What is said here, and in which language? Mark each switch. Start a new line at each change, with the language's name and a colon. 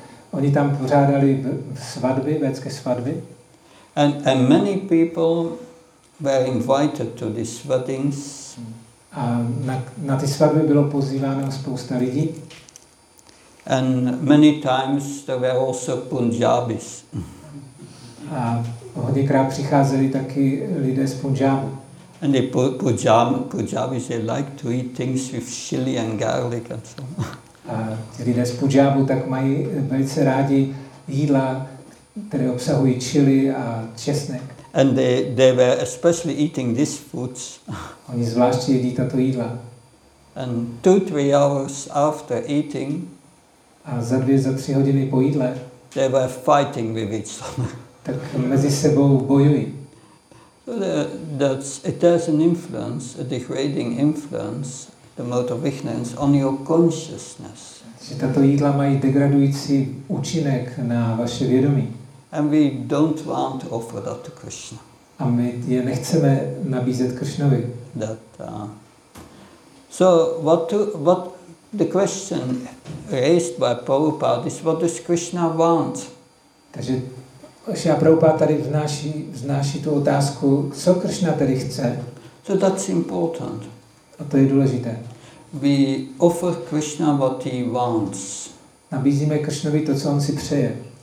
Czech: Oni tam pořádali svatby, vědecké svatby.
English: And many people were invited to these weddings.
Czech: A na ty svatby bylo pozýváno spousta lidí.
English: And many times there were also Punjabis.
Czech: A hodněkrát přicházeli taky lidé z Punjabu.
English: And the Punjabis, they like to eat things with chili and garlic and so on.
Czech: A ti lidé z Punjabu tak mají velice rádi jídla, které obsahují chili a česnek.
English: And they were especially eating these foods.
Czech: Oni zvláště jedí tato jídla.
English: And 2-3 hours after eating,
Czech: A za 2-3 hodiny po jídle.
English: They were fighting with each other.
Czech: Tak mezi sebou bojují.
English: So that's it has an influence, a degrading influence, the motor vehicles on your consciousness.
Czech: Že tato jídla mají degradující účinek na vaše vědomí.
English: And we don't want to offer that to Krishna.
Czech: A my je nechceme nabízet Krishnovi.
English: That, so what the question raised by Prabhupada is what does Krishna want?
Czech: Takže Šila Prabhupada tady vznáší tu otázku, co Krishna tady chce.
English: So that's important.
Czech: A to je důležité.
English: We offer Krishna what he wants.
Czech: Nabízíme Krishnovi to, co on si přeje.